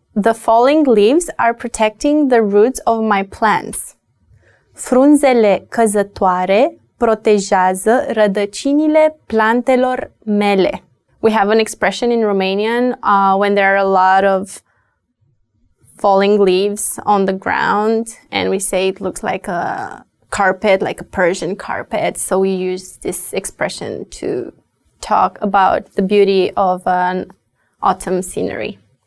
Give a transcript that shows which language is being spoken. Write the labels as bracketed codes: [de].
[en] The falling leaves are protecting the roots of my plants. [ro] Frunzele căzătoare protejează rădăcinile plantelor mele. [en] We have an expression in Romanian when there are a lot of falling leaves on the ground and we say it looks like a carpet, like a Persian carpet. So we use this expression to talk about the beauty of an autumn scenery.